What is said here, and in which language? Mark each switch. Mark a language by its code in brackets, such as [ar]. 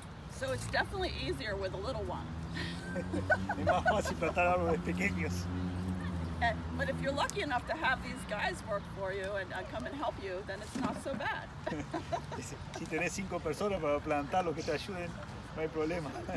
[en] So it's definitely easier with a little one. [es] Es más fácil plantar árboles pequeños. [en] But if you're lucky enough to have these guys work for you and come and help you, then it's not so bad. [es] Si tenés 5 personas para plantar los que te ayuden, no hay problema.